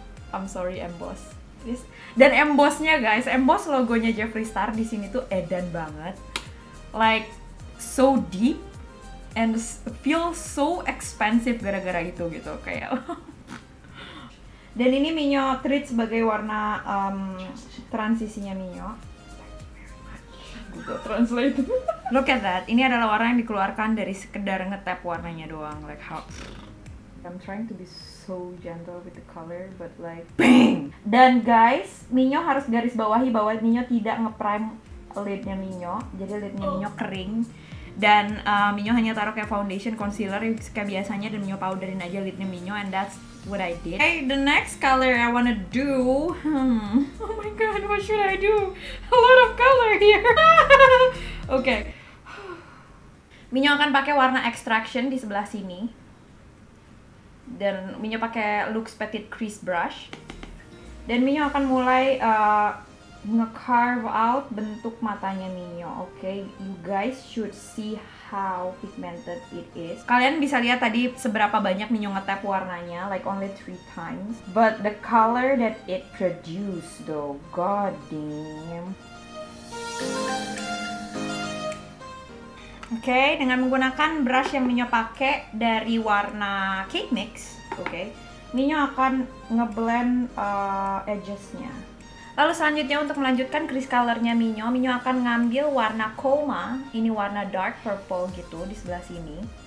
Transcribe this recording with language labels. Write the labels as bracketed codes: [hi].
[en] I'm sorry, emboss. Please. [id] Dan embossnya guys, emboss logonya Jeffree Star di sini tuh edan banget, [en] like so deep and feel so expensive [id] gara-gara itu gitu kayak. Dan ini Minyo treat sebagai warna transisinya Minyo. Google Translate. [en] Look at that. [id] Ini adalah warna yang dikeluarkan dari sekedar ngetap warnanya doang. [en] Like how I'm trying to be so gentle with the color, but like bang. [id] Dan guys, Minyo harus garis bawahi bahwa Minyo tidak ngeprime lidnya Minyo. Jadi lidnya Minyo kering. Dan Minyo hanya taruh kayak foundation, concealer kayak biasanya, dan Minyo powderin aja lidnya Minyo, [en] and that's what I did. Okay, the next color I wanna do. Oh my god, what should I do? A lot of color here. Okay. [id] Minyo akan pakai warna extraction di sebelah sini. Dan Minyo pakai Luxe Petite Crease brush. Dan Minyo akan mulai nge-carve out bentuk matanya Mio. [en] Okay, you guys should see how pigmented it is. [id] Kalian bisa lihat tadi seberapa banyak Mio nge-tap warnanya, [en] like only 3 times. But the color that it produced though, god damn. [id] Okay, dengan menggunakan brush yang Mio pake dari warna Cake Mix, okay, Mio akan ngeblend edges-nya. Lalu selanjutnya untuk melanjutkan crease color-nya Mio, Mio akan ngambil warna Coma, ini warna dark purple gitu di sebelah sini.